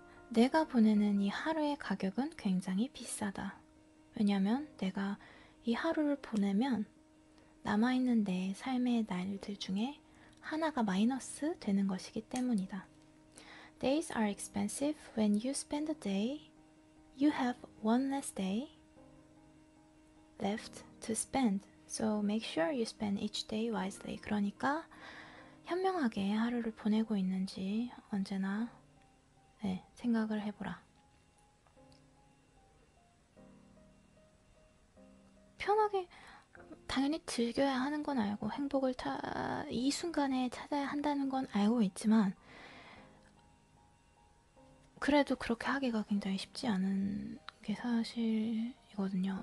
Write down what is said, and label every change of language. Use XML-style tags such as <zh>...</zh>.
<ko>내가 보내는 이 하루의 가격은 굉장히 비싸다. 왜냐면 내가 이 하루를 보내면 남아있는 내 삶의 날들 중에 하나가 마이너스 되는 것이기 때문이다.</ko> <en>Days are expensive when you spend a day. You have one less day left to spend. So make sure you spend each day wisely.</en> <ko>그러니까 현명하게 하루를 보내고 있는지 언제나 네, 생각을 해보라. 편하게 당연히 즐겨야 하는 건 알고 행복을 이 순간에 찾아야 한다는 건 알고 있지만 그래도 그렇게 하기가 굉장히 쉽지 않은 게 사실이거든요.</ko>